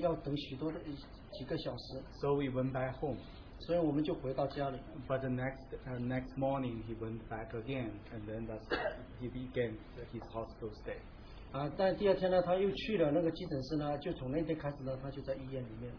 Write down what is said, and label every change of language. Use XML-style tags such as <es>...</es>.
<zh>但是呢，很不幸那个晚上呢，就是因为在急诊室呢，他有一个要排很长的队，你要等许多的几个小时。</zh> <en>So we went back home.</en> <zh>所以我们就回到家里。</zh> <en>But the next morning he went back again, and then that's he began his hospital stay.</en> <zh>但第二天呢，他又去了那个急诊室呢，就从那天开始呢，他就在医院里面。</zh>